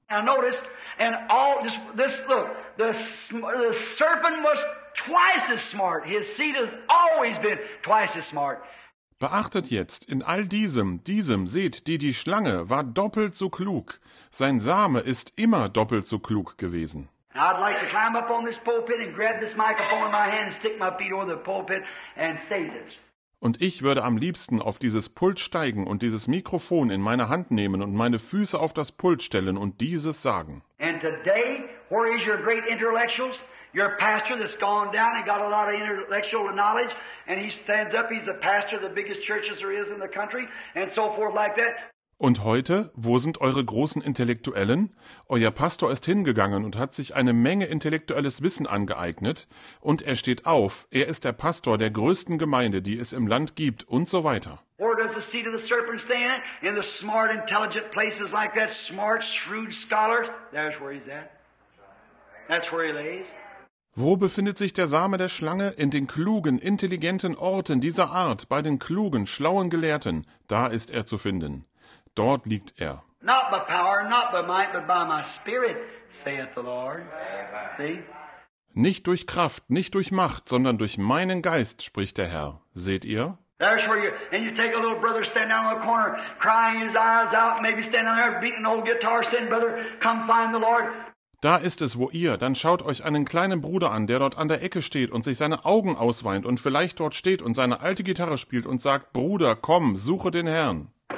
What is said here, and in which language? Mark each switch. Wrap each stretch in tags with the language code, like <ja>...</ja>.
<en>Now notice, and all this look, the serpent was twice as smart, his seed has always been twice as smart.</en> <de>Beachtet jetzt, in all diesem, seht, die Schlange war doppelt so klug. Sein Same ist immer doppelt so klug gewesen.</de> <en>I'd like to climb up on this pulpit and grab this microphone in my hand, stick my feet over the pulpit and say this.</en> <de>Und ich würde am liebsten auf dieses Pult steigen und dieses Mikrofon in meine Hand nehmen und meine Füße auf das Pult stellen und dieses sagen.</de> <en>And today, where is your great intellectuals? Your pastor that's gone down and got a lot of intellectual knowledge, and he stands up, he's a pastor of the biggest churches there is in the country, and so forth like that.</en> <de>Und heute, wo sind eure großen Intellektuellen? Euer Pastor ist hingegangen und hat sich eine Menge intellektuelles Wissen angeeignet, und er steht auf, er ist der Pastor der größten Gemeinde, die es im Land gibt, und so weiter.</de> <en>Where does the seed of the serpent stand? In the smart, intelligent places like that, smart, shrewd scholars. There's where he's at. That's where he lays.</en> <de>Wo befindet sich der Same der Schlange? In den klugen, intelligenten Orten dieser Art, bei den klugen, schlauen Gelehrten, da ist er zu finden. Dort liegt er.</de> <en>Not by power, not by might, but by my spirit, saith the Lord. See?</en> <de>Nicht durch Kraft, nicht durch Macht, sondern durch meinen Geist, spricht der Herr. Seht ihr?</de> <en>That's where you, and you take a little brother standing down on the corner, crying his eyes out, maybe standing there beating an old guitar, saying, brother, come find the Lord.</en> <de>Da ist es, wo ihr, dann schaut euch einen kleinen Bruder an, der dort an der Ecke steht und sich seine Augen ausweint und vielleicht dort steht und seine alte Gitarre spielt und sagt, Bruder, komm, suche den Herrn.</de>